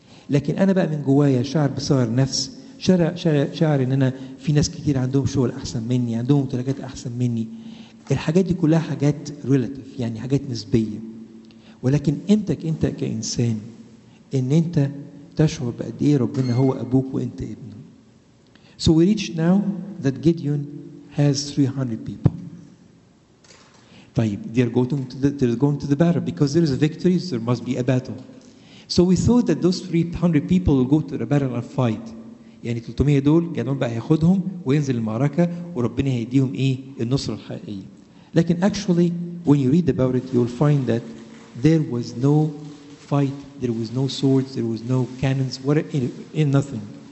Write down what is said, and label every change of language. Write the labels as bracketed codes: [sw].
[ar] لكن أنا بقى من جوايا شعر بصغر نفس، شعر إن أنا في ناس كتير عندهم شغل أحسن مني، عندهم ممتلكات أحسن مني. الحاجات دي كلها حاجات ريلاتيف، يعني حاجات نسبية. ولكن إمتك أنت كإنسان إن أنت تشعر بقد إيه ربنا هو أبوك وأنت ابنه. [en] So we reach now that Gideon has 300 people. [ar] طيب [en] they're going to the battle because there is a victory, so there must be a battle. So we thought that those 300 people will go to the battle and fight. [ar] يعني 300 دول جنون بقى هياخدهم وينزل المعركة وربنا هيديهم إيه النصر الحقيقي. لكن [en] actually when you read about it you'll find that there was no fight, there was no swords, there was no cannons, nothing.